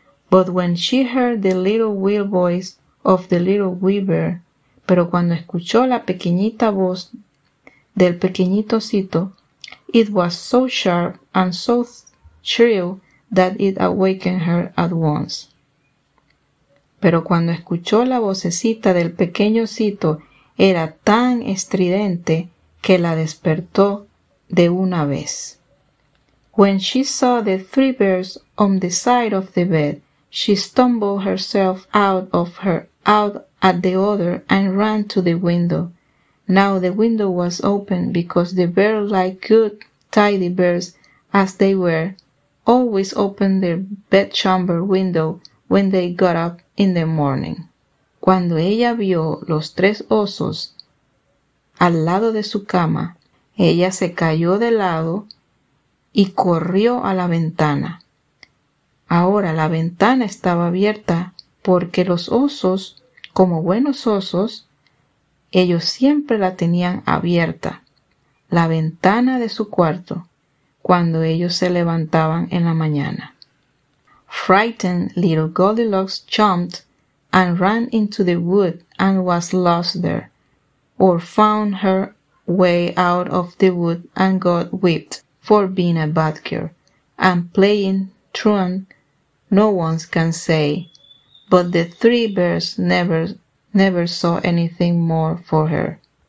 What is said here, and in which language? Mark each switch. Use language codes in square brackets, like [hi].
[en] But when she heard the little wee voice of the little wee bear, [es] pero cuando escuchó la pequeñita voz del pequeñito osito, [en] it was so sharp and so shrill that it awakened her at once. [es] Pero cuando escuchó la vocecita del pequeño osito, era tan estridente que la despertó de una vez. [en] When she saw the three bears on the side of the bed, she stumbled herself out at the other and ran to the window. Now the window was open because the bear, like good, tidy bears as they were, always opened their bedchamber window when they got up in the morning. [es] Cuando ella vio los tres osos al lado de su cama, ella se cayó de lado y corrió a la ventana. Ahora la ventana estaba abierta porque los osos, como buenos osos, ellos siempre la tenían abierta, la ventana de su cuarto, cuando ellos se levantaban en la mañana. [en] Frightened, little Goldilocks jumped and ran into the wood and was lost there, or found her way out of the wood and got whipped for being a bad girl, and playing truant, no one can say, but the three bears never saw anything more for her.